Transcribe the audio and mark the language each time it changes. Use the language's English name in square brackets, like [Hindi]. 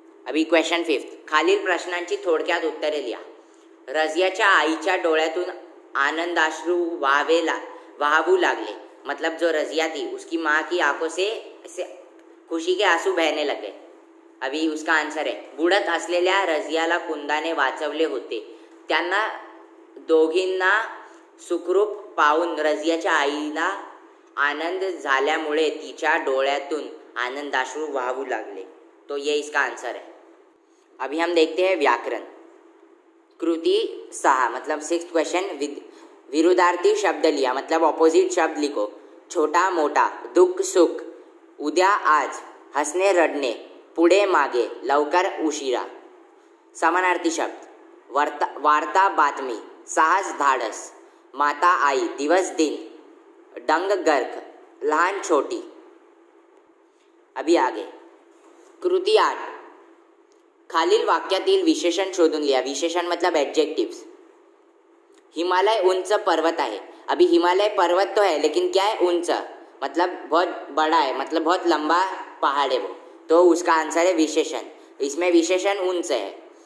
[Hindi] अभी question fifth, [Marathi] खालील प्रश्नांची थोडक्यात उत्तरे लिया। रजियाच्या आईच्या डोळ्यातून आनंदाश्रू वाहू लागले, [Hindi] मतलब जो रजिया थी उसकी माँ की आंखों से ऐसे खुशी के आंसू बहने लगे। अभी उसका आंसर है, [Marathi] बुडत असलेल्या रजियाला कुंदाने वाचवले होते, त्यांना दोघींना सुखरूप पाहून रजियाच्या आईला आनंद झाल्यामुळे तिच्या डोळ्यातून आनंदाश्रू वाहू लागले। [Hindi] तो ये इसका आंसर है। अभी हम देखते हैं व्याकरण, कृति सहा मतलब सिक्स्थ क्वेश्चन, [Marathi] विरुद्धार्थी शब्द लिया [Hindi] मतलब ऑपोजिट शब्द लिखो। [Marathi] छोटा मोटा, दुख सुख, उद्या आज, हंसने रडने, पुढ़े मागे, लवकर उशिरा। समानार्थी शब्द, वार्ता बातमी, साहस धाडस, माता आई, दिवस दिन, डंग गर्क, लहान छोटी। [Hindi] अभी आगे कृती आठ, [Marathi] खालील वाक्यातील विशेषण शोधून लिया, [Hindi] विशेषण मतलब एडजेक्टिव्स। [Marathi] हिमालय उंच पर्वत आहे, [Hindi] अभी हिमालय पर्वत तो है लेकिन क्या है, उंच मतलब बहुत बड़ा है, मतलब बहुत लंबा पहाड़ है वो, तो उसका आंसर है विशेषण, इसमें विशेषण उंच है।